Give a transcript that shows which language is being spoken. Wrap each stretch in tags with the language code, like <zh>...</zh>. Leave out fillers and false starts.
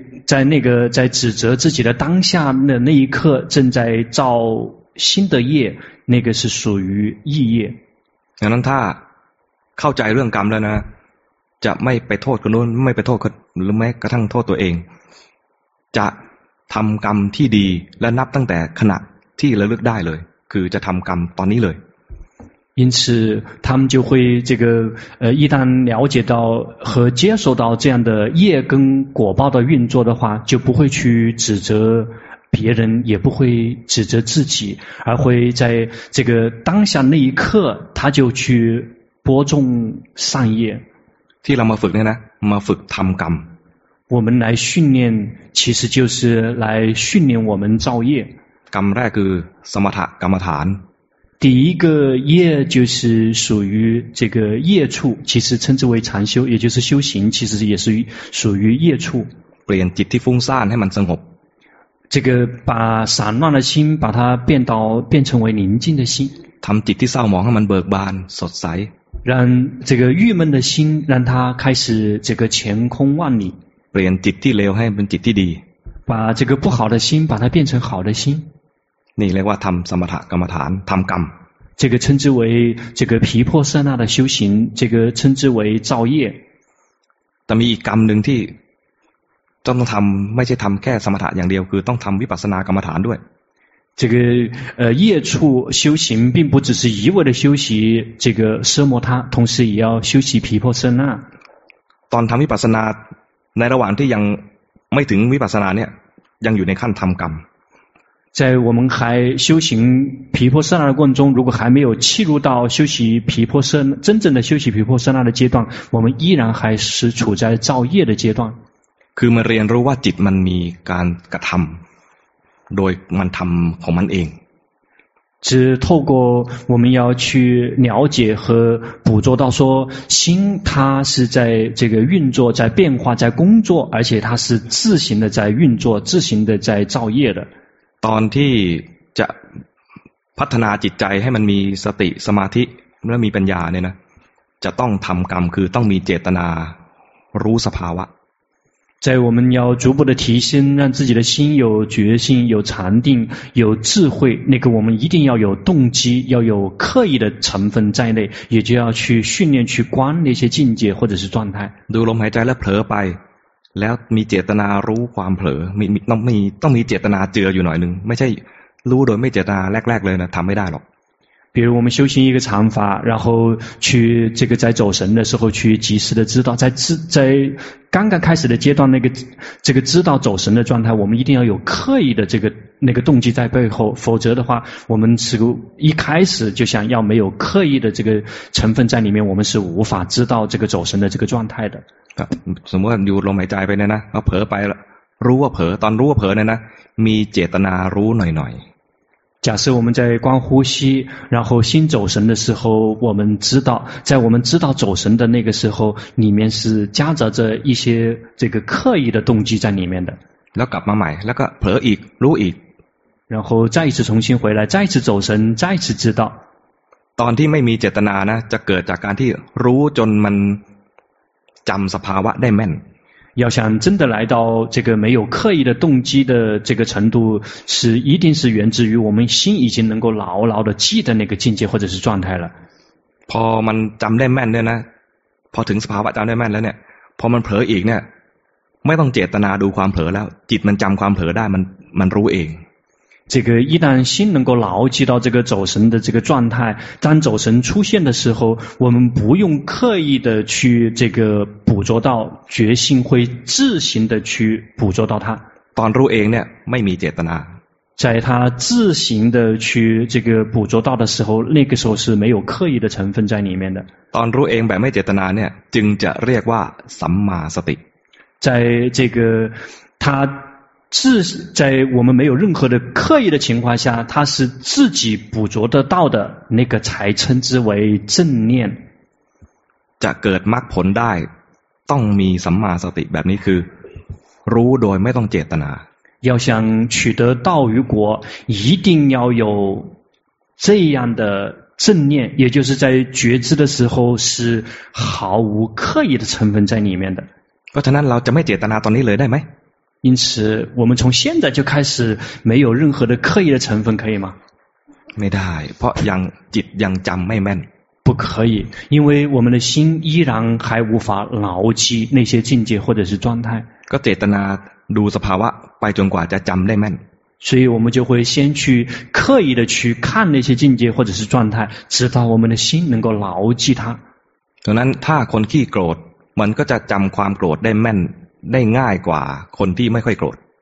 <zh>在那个在指责自己的当下的那一刻正在造新的业那个是属于意业</zh> <th>ดังนั้นถ้าเข้าใจเรื่องกรรมแล้วนะจะไม่ไปโทษคนโน้นไม่ไปโทษคนหรือแม้กระทั่งโทษตัวเองจะทำกรรมที่ดีและนับตั้งแต่ขณะที่ระลึกได้เลยคือจะทำกรรมตอนนี้เลย</th> <zh>因此他们就会这个一旦了解到和接受到这样的业跟果报的运作的话就不会去指责别人也不会指责自己而会在这个当下那一刻他就去播种善业</zh> <th>ที่เรามาฝึกเนี่ยนะมาฝึกทำกรรม</th> <zh>我们来训练其实就是来训练我们造业</zh> <th>กรรมแรกคือสมถกรรมฐาน</th> <zh>第一个业就是属于这个业处其实称之为禅修也就是修行其实也是属于业处</zh> <th>เปลี่ยนจิตที่ฟุ้งซ่านให้มันสงบ</th> <zh>这个把散乱的心把它变成为宁静的心</zh> <th>ทำจิตที่เศร้าหมองให้มันเบิกบานสดใส</th> <zh>让这个郁闷的心让它开始这个前空万里</zh> <th>เปลี่ยนจิตที่เลวให้เป็นจิตที่ดี</th> <zh>把这个不好的心把它变成好的心</zh> <th>นี่เรียกว่าทำสมถกรรมฐานทำกรรม</th> <zh>这个称之为这个皮破色那的修行这个称之为造业</zh> <th>แต่มีอีกกรรมหนึ่งที่ต้องทำไม่ใช่ทำแค่สมถะอย่างเดียวคือต้องทำวิปัสสนากรรมฐานด้วย</th> <zh>这个业处修行并不只是一味的修习这个奢摩他同时也要修习皮破色那</zh> <th>ตอนทำวิปัสสนาในระหว่างที่ยังไม่ถึงวิปัสสนาเนี่ยยังอยู่ในขั้นทำกรรม</th> <zh>在我们还修行毗婆舍那的过程中如果还没有契入到修习毗婆舍那真正的修习毗婆舍那的阶段我们依然还是处在造业的阶段</zh> <th>คือมันเรียนรู้ว่าจิตมันมีการกระทำโดยมันทำของมันเอง จะ</th> <zh>透过我们要去了解和捕捉到说心它是在这个运作在变化在工作而且它是自行的在运作自行的在造业的</zh> <th>ตอนที่จะพัฒนาจิตใจให้มันมีสติสมาธิและมีปัญญาเนี่ยนะจะต้องทำกรรมคือต้องมีเจตนารู้สภาวะ</th> <zh>在我们要逐步的提升让自己的心有觉性有禅定有智慧那个我们一定要有动机要有刻意的成分在内也就要去训练去观那些境界或者是状态</zh> <th>ดูลมหายใจแล้วเผลอไปแล้วมีเจตนารู้ความเผลอต้องมีเจตนาเจืออยู่หน่อยนึงไม่ใช่รู้โดยไม่เจตนาแรกๆเลยนะทำไม่ได้หรอก</th> <zh>比如我们修行一个禅法然后去这个在走神的时候去及时的知道在刚刚开始的阶段那个这个知道走神的状态我们一定要有刻意的这个那个动机在背后否则的话我们是一开始就想要没有刻意的这个成分在里面我们是无法知道这个走神的这个状态的什么你都没在背呢我婆白了如果婆当如果婆呢你解得那如奶奶假设我们在观呼吸然后心走神的时候我们知道在我们知道走神的那个时候里面是夹杂着一些这个刻意的动机在里面的</zh> <th>แล้วกลับมาใหม่แล้วก็เผลออีกรู้อีก</th> <zh>然后再一次重新回来再一次走神再一次知道</zh> <th>ตอนที่ไม่มีเจตนานะจะเกิดจากการที่รู้จนมันจำสภาวะได้แม่น</th> <zh>要想真的来到这个没有刻意的动机的这个程度是一定是源自于我们心已经能够牢牢的记得那个境界或者是状态了</zh> <th>พอมันจำได้แม่นเนี่ยนะพอถึงสภาวะจำได้แม่นแล้วเนี่ยพอมันเผลออีกเนี่ย ไม่ต้องเจตนาดูความเผลอแล้วจิตมันจำความเผลอได้มันรู้เอง</th> <zh>这个一旦心能够牢记到这个走神的这个状态，当走神出现的时候，我们不用刻意的去这个捕捉到，决心会自行的去捕捉到它。</zh> <th>ตอนรู้เองเนี่ยไม่มีเจตนา</th> <zh>在他自行的去这个捕捉到的时候，那个时候是没有刻意的成分在里面的。</zh> <th>ตอนรู้เองแบบไม่เจตนาเนี่ยจึงจะเรียกว่าสัมมาสติ</th> <zh>在这个他自在我们没有任何的刻意的情况下，他是自己捕捉得到的那个才称之为正念。</zh> <th>จะเกิดมรรคผลได้ต้องมีสัมมาสติแบบนี้คือรู้โดยไม่ต้องเจตนา</th> <zh>要想取得道与果，一定要有这样的正念，也就是在觉知的时候是毫无刻意的成分在里面的。</zh> <th>เพราะฉะนั้นเราจะไม่เจตนาตอนนี้เลยได้ไหม</th> <zh>因此我们从现在就开始没有任何的刻意的成分可以吗</zh> <th>ไม่ได้เพราะยังจิตยังจำไม่แม่น</th> <zh>不可以因为我们的心依然还无法牢记那些境界或者是状态</zh> <th>ก็เจตนาดูสภาวะไปจนกว่าจะจำได้แม่น</th> <zh>所以我们就会先去刻意的去看那些境界或者是状态直到我们的心能够牢记它</zh> <th>ดังนั้นถ้าคนขี้โกรธมันก็จะจำความโกรธได้แม่นได้ง่ายกว่าคนที่ไม่ค่อยโกรธ</th>